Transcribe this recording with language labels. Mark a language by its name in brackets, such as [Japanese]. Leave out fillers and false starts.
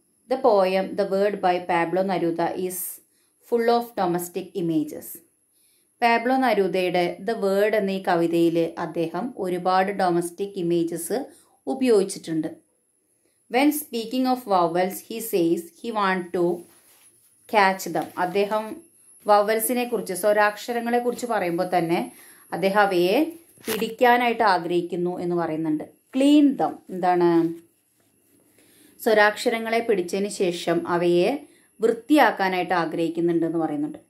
[English] The poem the word by Pablo Neruda is full of domestic images. [Malayalam] Pablo നെരൂദയുടെ the word എന്ന ഈ കവിതയിൽ അദ്ദേഹം ഒരുപാട് ഡൊമസ്റ്റിക് ഇമേജസ് ഉപയോഗിച്ചിട്ടുണ്ട്. [English] When speaking of vowels, he says he want to catch them. [Malayalam] അദ്ദേഹം വവൽസിനെ കുറിച്ച്, സ്വരാക്ഷരങ്ങളെ കുറിച്ച് പറയുമ്പോൾ തന്നെ അദ്ദേഹം അവയെ പിടിക്കാനായിട്ട് ആഗ്രഹിക്കുന്നു എന്ന് പറയുന്നുണ്ട്. [English] clean them, [Malayalam] എന്താണ് സ്വരാക്ഷരങ്ങളെ പിടിച്ചതിന് ശേഷം അവയെ വൃത്തിയാക്കാനായിട്ട് ആഗ്രഹിക്കുന്നുണ്ട് എന്ന് പറയുന്നുണ്ട്.